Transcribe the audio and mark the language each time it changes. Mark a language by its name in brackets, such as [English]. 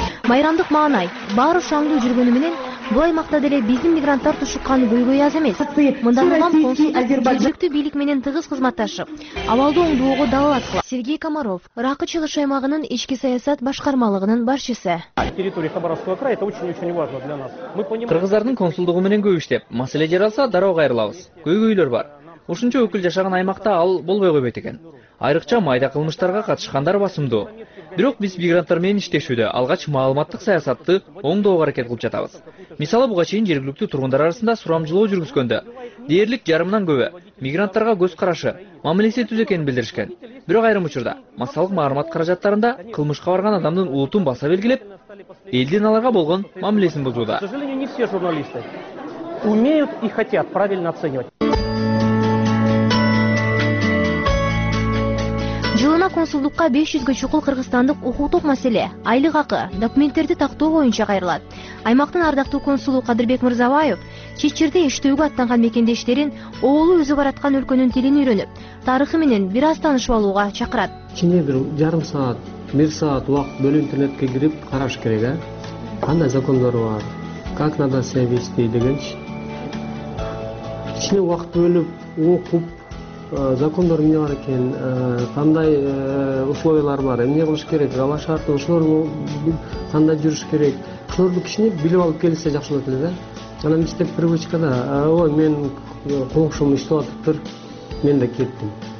[Kyrgyz] Майрамдык маанай, баары шаңдуу жүргөнү менен бул аймакта деле биздин мигранттар тушукканы көйгөй аз эмес. Мындан улам консул жергиликтүү бийлик менен тыгыз кызматташып, абалды оңдоого далалат кылат. Сергей Комаров, Ыраакы чыгыш аймагынын ички саясат башкармалыгынын башчысы. [Russian] Территория Хабаровского края это очень-очень важно для нас. Мы понимаем. [Kyrgyz] Кыргыздардын консулдугу менен көбүштөп, маселе жер алса дароо кайрылабыз. Көйгөйлөр бар. Ушунча өкүл жашаган аймакта ал болбой койбойт экен. Айрыкча майда кылмыштарга катышкандар басымдуу. Бирок биз мигранттар менен иштешүүдө алгач маалыматтык саясатты оңдоого аракет кылып жатабыз. Мисалы, буга чейин жергиликтүү тургундар арасында сурамжылоо жүргүзгөндө дээрлик жарымынан көбү мигранттарга көз карашы, мамилеси түз экенин билдиришкен. Бирок айрым учурда массалык маалымат каражаттарында кылмышка барган адамдын улутун баса белгилеп, элдин аларга болгон мамилесин бузууда. [Russian] К сожалению, не все журналисты умеют и хотят правильно оценивать. [Kyrgyz] Жылына консулдукка 500 чукул кыргызстандык укуктук маселе, айлык акы, документтерди тактоо боюнча кайрылат. Аймактын ардактуу консулу Кадырбек Мырзабаев чет жерде иштөөгө аттанган мекендештерин оолу өзү бараткан өлкөнүн тилин үйрөнүп, тарыхы менен бир аз таанышып алууга чакырат. Ичинде бир жарым саат, бир саат убакыт бөлүп интернетке кирип караш керек, э? Кандай закондор бар? [Russian] Как надо себя вести [Kyrgyz] дегенчи. Ичинде убакыт бөлүп окуп, закондор эмне бар экен, кандай условиялар бар, эмне кылыш керек, жана шарты ошолор кандай жүрүш керек, ошолорду кичине билип алып келсе жакшы болот эле да. Анан иштеп привычкада, ой мен коңшум иштеп атыптыр, мен да кеттим.